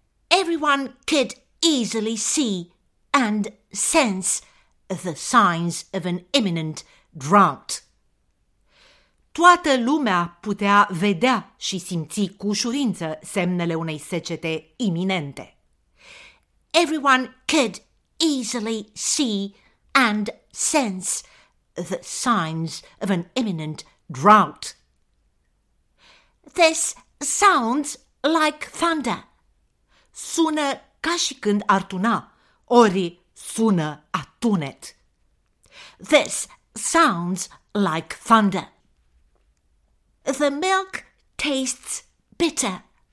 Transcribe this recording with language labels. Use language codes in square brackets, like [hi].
[en] Everyone could easily see and sense the signs of an imminent drought. [ro] Toată lumea putea vedea și simți cu ușurință semnele unei secete iminente. [en] Everyone could easily see and sense the signs of an imminent drought. This sounds like thunder. [ro] Sună ca și când ar tuna, ori sună a tunet. [en] This sounds like thunder. The milk tastes bitter.